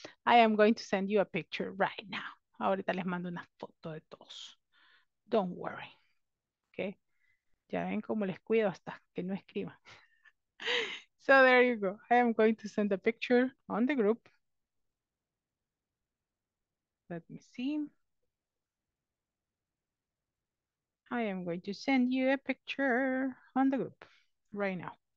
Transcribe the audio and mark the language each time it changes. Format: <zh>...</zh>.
<en>I am going to send you a picture right now.</en> <es>Ahorita les mando una foto de todos.</es> <en>Don't worry. Okay.</en> <es>Ya ven cómo les cuido hasta que no escriban.</es> <en>So there you go. I am going to send a picture on the group. Let me see. I am going to send you a picture on the group right now.</en>